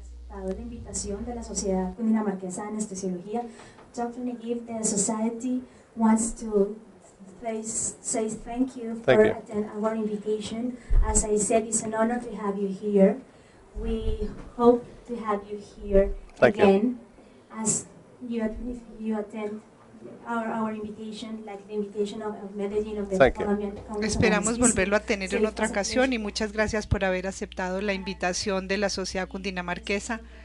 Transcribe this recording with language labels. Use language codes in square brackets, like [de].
[es] La invitación de la Sociedad Dinamarquesa de Anestesiología. [en] Dr. Nagib, the society wants to say thank you for attending our invitation. As I said, it's an honor to have you here. We hope to have you here again as you attend our invitation, like the invitation of Medellin of the Colombian Congress. [es] Esperamos volverlo a tener en otra ocasión y muchas gracias por haber aceptado la invitación de la Sociedad Cundinamarquesa.